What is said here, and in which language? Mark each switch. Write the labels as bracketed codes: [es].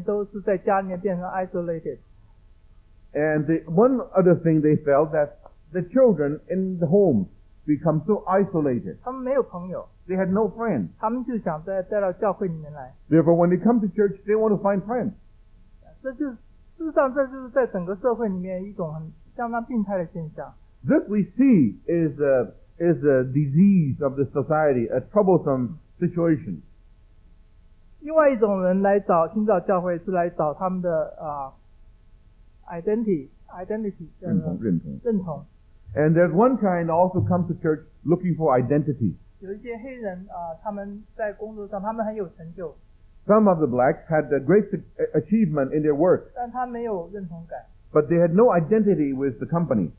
[zh] 另外也是看到，另外有一点也是从这边想到，就是说，因为他们小孩子在美国社会里面都是在家里面变成 isolated。 [en] And the, one other thing they felt that the children in the home become so isolated. They had no friends. Therefore, when they come to church, they want to find friends. This we see is a disease of the society, a troublesome situation. [zh] 另外一种人来找寻找教会是来找他们的 identity, 认同。 [en] And there's one kind also come to church looking for identity. [zh] 有一些黑人，他们在工作上他们很有成就。 [en] Some of the blacks had a great achievement in their work. [zh] 但他没有认同感。 [en] But they had no identity with the company.